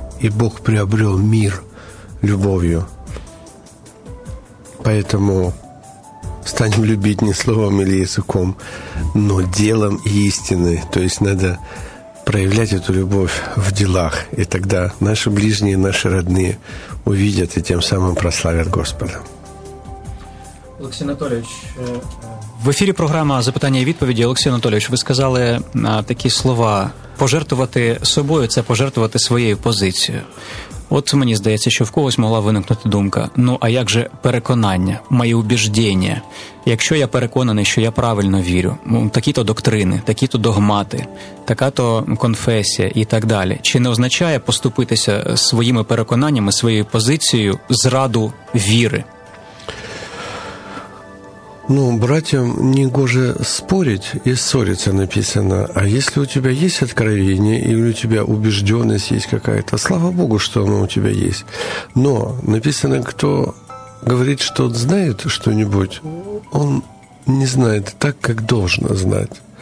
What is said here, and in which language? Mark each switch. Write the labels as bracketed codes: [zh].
[ru] И Бог приобрел мир любовью. Поэтому станем любить не словом или языком, но делом истины. То есть надо проявлять эту любовь в делах. И тогда наши ближние, наши родные увидят и тем самым прославят Господа. [uk] Алексей Анатольевич, в ефірі програма «Запитання і відповіді». Олексій Анатолійович, ви сказали такі слова: «Пожертвувати собою – це пожертвувати своєю позицією». От мені здається, що в когось могла виникнути думка: ну, а як же переконання, мої убіждення? Якщо я переконаний, що я правильно вірю, такі-то доктрини, такі-то догмати, така-то конфесія і так далі. Чи не означає поступитися своїми переконаннями, своєю позицією зраду віри? [ru] Ну, братьям не гоже спорить и ссориться, написано. А если у тебя есть откровение, или у тебя убежденность есть какая-то, слава Богу, что оно у тебя есть. Но написано, кто говорит, что он знает что-нибудь, он не знает так, как должно знать.